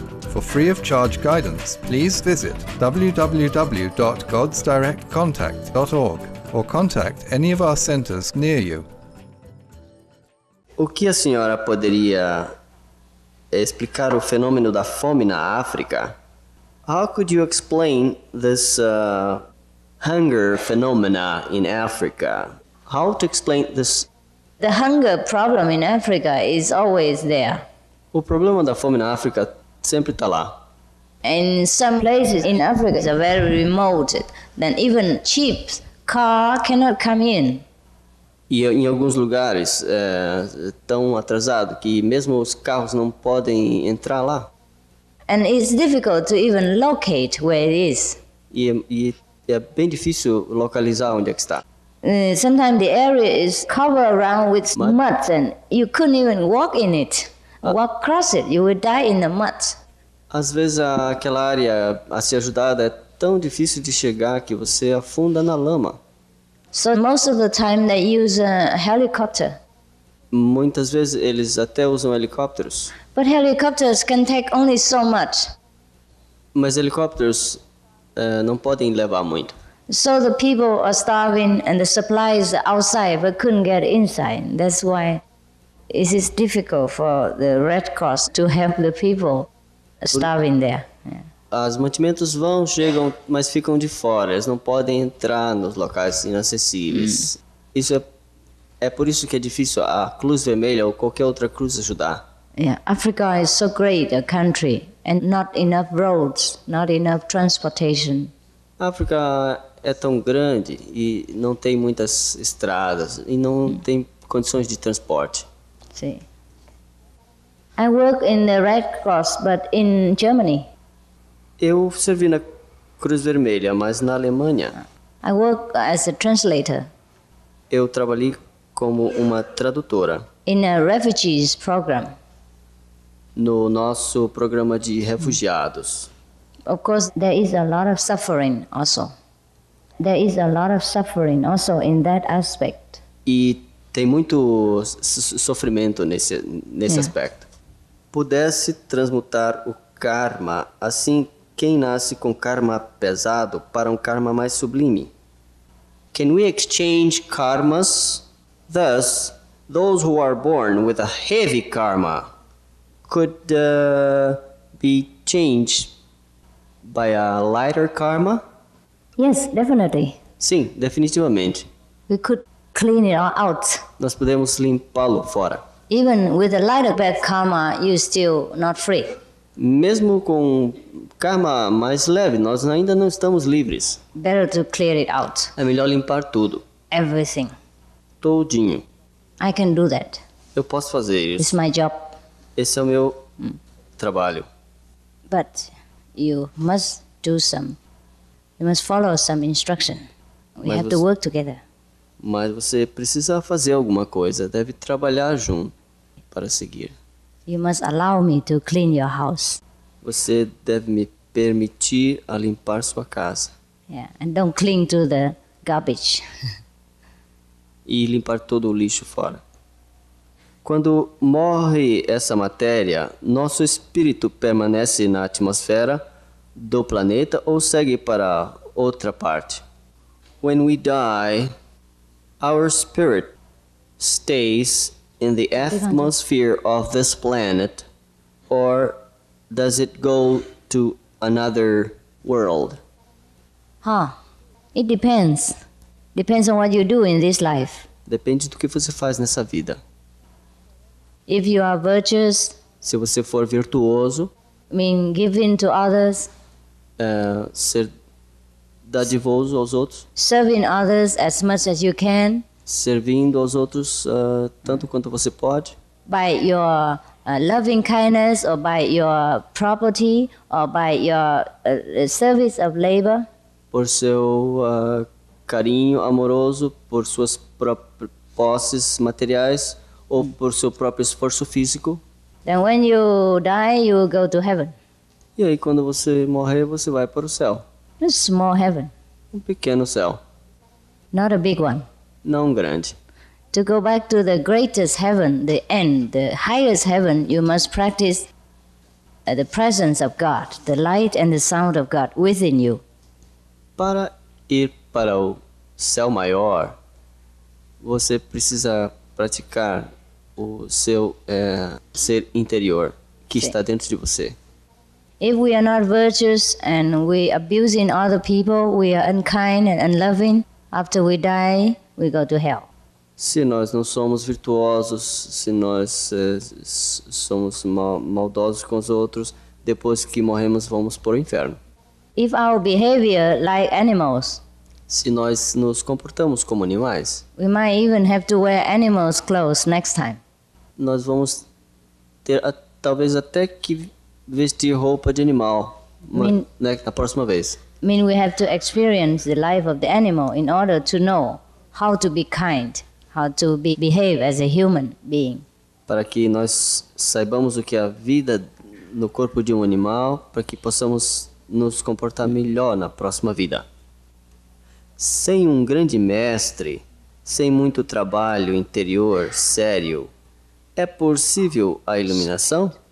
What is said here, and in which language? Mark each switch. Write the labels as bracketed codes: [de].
[en] For free of charge guidance, please visit www.godsdirectcontact.org or contact any of our centers near you. [pt] O que a senhora poderia explicar o fenômeno da fome na África? [en] How could you explain this hunger phenomena in Africa? How to explain this? The hunger problem in Africa is always there. [pt] O problema da fome na África sempre está lá. [en] In some places in Africa, it's very remote. Then even cheap car cannot come in. [pt] E em alguns lugares é tão atrasado que mesmo os carros não podem entrar lá. [en] And it's difficult to even locate where it is. [pt] E é bem difícil localizar onde é que está. [en] Sometimes the area is covered around with mud, and you couldn't even walk in it. Walk across it, you would die in the mud. [pt] Às vezes aquela área a ser ajudada é tão difícil de chegar que você afunda na lama. [en] So most of the time they use a helicopter. [pt] Muitas vezes eles até usam helicópteros. [en] But helicopters can take only so much. [pt] Mas helicópteros não podem levar muito. [en] So the people are starving and the supplies are outside but couldn't get inside. That's why it is difficult for the Red Cross to help the people starving there. [pt] As mantimentos vão, chegam, mas ficam de fora. Eles não podem entrar nos locais inacessíveis. Isso é por isso que é difícil a Cruz Vermelha ou qualquer outra cruz ajudar. [en] Yeah, Africa is so great a country and not enough roads, not enough transportation. [pt] África é tão grande e não tem muitas estradas e não tem condições de transporte. [en] See. I work in the Red Cross, but in Germany. [pt] Eu servi na Cruz Vermelha, mas na Alemanha. [en] I work as a translator. [pt] Eu trabalhei como uma tradutora. [en] In a refugees program. [pt] No nosso programa de refugiados. [en] Of course, there is a lot of suffering also. There is a lot of suffering also in that aspect. [pt] E tem muito sofrimento nesse yeah. aspecto. Pudesse transmutar o karma, assim, quem nasce com karma pesado para um karma mais sublime? [en] Can we exchange karmas? Thus, those who are born with a heavy karma could be changed by a lighter karma? Yes, definitely. [pt] Sim, definitivamente. [en] We could clean it all out. [pt] Nós podemos limpá-lo fora. [en] Even with a lighter bad karma, you're still not free. [pt] Mesmo com karma mais leve, nós ainda não estamos livres. [en] Better to clear it out. [pt] É melhor limpar tudo. [en] Everything. [pt] Todinho. [en] I can do that. [pt] Eu posso fazer isso. [en] It's my job. [pt] Esse é o meu trabalho. [en] But you must do some. You must follow some instruction. We have to work together. [pt] Mas você precisa fazer alguma coisa. Deve trabalhar junto para seguir. [en] You must allow me to clean your house. [pt] Você deve me permitir a limpar sua casa. [en] Yeah, and don't cling to the garbage. [pt] E limpar todo o lixo fora. Quando morre essa matéria, nosso espírito permanece na atmosfera do planeta ou segue para outra parte? [en] When we die, our spirit stays in the atmosphere of this planet, or does it go to another world? Huh. It depends. Depends on what you do in this life. [pt] Depende do que você faz nessa vida. [en] If you are virtuous, [pt] se você for virtuoso, [en] mean giving to others, [pt] ser dadivoso aos outros, [en] serving others as much as you can, [pt] servindo aos outros tanto quanto você pode, [en] by your loving kindness or by your property or by your service of labor, [pt] por seu carinho amoroso, por suas próprias posses materiais ou por seu próprio esforço físico. [en] Then when you die, you will go to heaven. [pt] E aí quando você morrer, você vai para o céu. [en] A small heaven. [pt] Um pequeno céu. [en] Not a big one. [pt] Não um grande. [en] To go back to the greatest heaven, the end, the highest heaven, you must practice the presence of God, the light and the sound of God within you. [pt] Para ir para o céu maior, você precisa praticar o seu ser interior que está dentro de você. [en] If we are not virtuous and we are abusing other people, we are unkind and unloving, after we die, we go to hell. [pt] Se nós não somos virtuosos, se nós somos maldosos com os outros, depois que morremos, vamos para o inferno. [en] If our behavior like animals, [pt] se nós nos comportamos como animais, [en] we might even have to wear animals' clothes next time. [pt] Nós vamos ter talvez até que vestir roupa de animal na próxima vez. [en] Mean we have to experience the life of the animal in order to know how to be kind, how to behave as a human being. [pt] Para que nós saibamos o que é a vida no corpo de um animal, para que possamos nos comportar melhor na próxima vida. Sem um grande mestre, sem muito trabalho interior sério, é possível a iluminação?